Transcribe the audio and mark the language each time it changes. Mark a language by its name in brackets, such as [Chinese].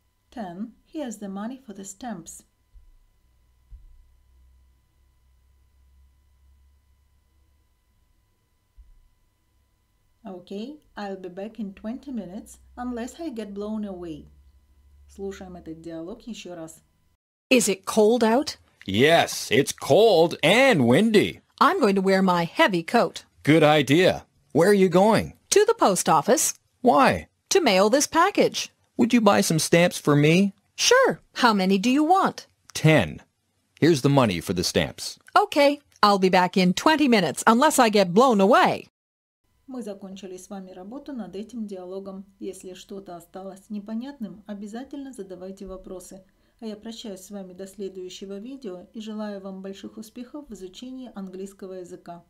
[English] 10. Here's the money for the stamps. Okay, I'll be back in 20 minutes unless I get blown away. [Russian] Слушаем этот диалог еще раз. [English] Is it cold out? Yes, it's cold and windy. I'm going to wear my heavy coat. Good idea. Where are you going? To the post office. Why? To mail this package. Would you buy some stamps for me? Sure. How many do you want? 10. Here's the money for the stamps. Okay, I'll be back in 20 minutes unless I get blown away. [Russian] Мы закончили с вами работу над этим диалогом. Если что-то осталось непонятным, обязательно задавайте вопросы. А я прощаюсь с вами до следующего видео и желаю вам больших успехов в изучении английского языка.